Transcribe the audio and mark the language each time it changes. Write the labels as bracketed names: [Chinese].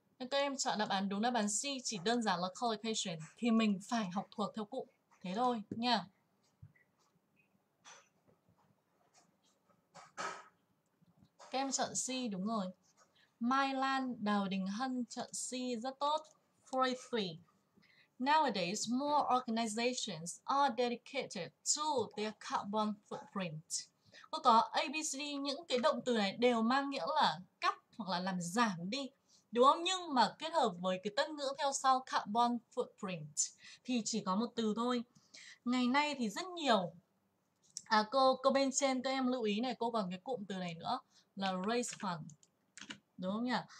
[Vietnamese] Các em chọn đáp án đúng, đáp án C chỉ đơn giản là collocation. Thì mình phải học thuộc theo cụm. Thế thôi nha. Các em chọn C đúng rồi. Mai Lan, Đào Đình Hân chọn C rất tốt. 43. [English] Nowadays, more organizations are dedicated to their carbon footprint. [Vietnamese] Có ABCD, những cái động từ này đều mang nghĩa là cắt hoặc là làm giảm đi, đúng không? Nhưng mà kết hợp với cái tân ngữ theo sau carbon footprint thì chỉ có một từ thôi. Ngày nay thì rất nhiều. Cô bên trên các em lưu ý này, cô còn cái cụm từ này nữa là raise fund, đúng không nhỉ?